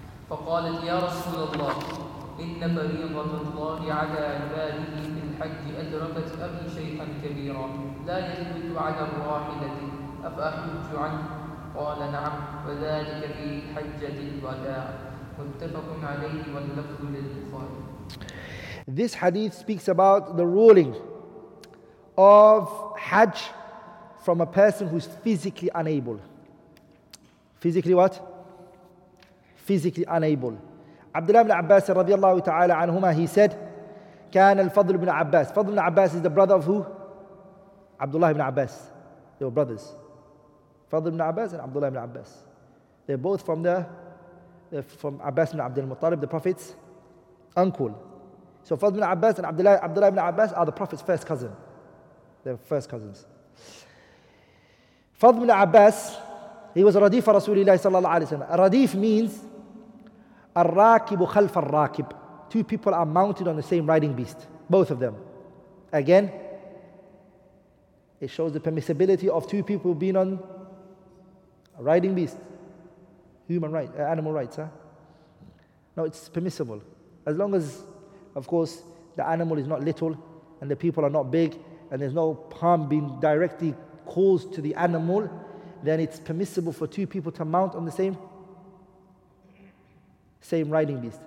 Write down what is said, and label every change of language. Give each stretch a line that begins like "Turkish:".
Arabic: فقالت يا رسول الله إن فريضة الله على عباده في الحج أدركت أبي شيئا كبيرا لا يثبت على الراحلة أفأحج عنه؟ قال نعم وذلك في حجة الوداع. متفق عليه واللفظ للبخاري.
English: This hadith speaks about the ruling of Hajj from a person who is physically unable. Physically what? Physically unable. Abdullah ibn Abbas radiallahu ta'ala anhuma, he said,
Arabic: كان الفضل
English: ibn Abbas. Fadl ibn Abbas is the brother of who? Abdullah ibn Abbas. They were brothers. Fadl ibn Abbas and Abdullah ibn Abbas. They're both from from Abbas ibn Abdul Muttalib, the Prophet's uncle. So Fadl ibn Abbas and Abdullah ibn Abbas are the Prophet's first cousin. They're first cousins. Fadl ibn Abbas, he was a radif for Rasulullah sallallahu alayhi wa sallam. A radif means
Arabic: الراكب خلف الراكب.
English: Two people are mounted on the same riding beast, both of them. Again, it shows the permissibility of two people being on a riding beast. Human rights, animal rights, huh? No, it's permissible. As long as, of course, the animal is not little and the people are not big and there's no harm being directly caused to the animal, then it's permissible for two people to mount on the same riding beast.